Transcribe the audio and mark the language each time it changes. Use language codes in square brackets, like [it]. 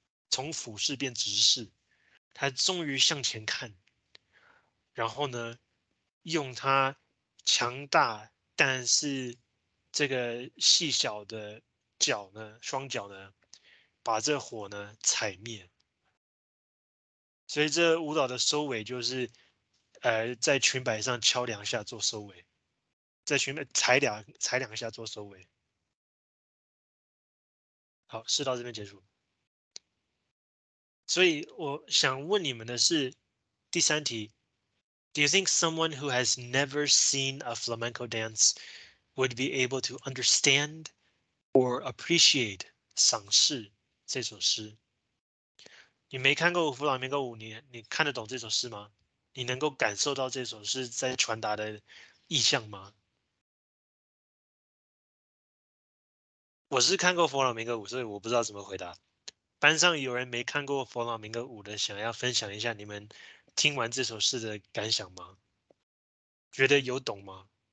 [zh] 从俯视变直视，他终于向前看，然后呢，用他强大但是这个细小的脚呢，双脚呢，把这火呢踩灭。所以这舞蹈的收尾就是。在裙摆上敲两下做收尾，在裙摆踩两下做收尾。好，事到这边结束。所以我想问你们的是，第三题 [en] ，Do you think someone who has never seen a flamenco dance would be able to understand or appreciate [zh] 赏识这首诗？你没看过弗朗明哥舞，你看得懂这首诗吗？你能够感受到这首诗在传达的意象吗？我是看过弗朗明哥舞，所以我不知道怎么回答。班上有人没看过弗朗明哥舞的，想要分享一下你们听完这首诗的感想吗？觉得有懂吗？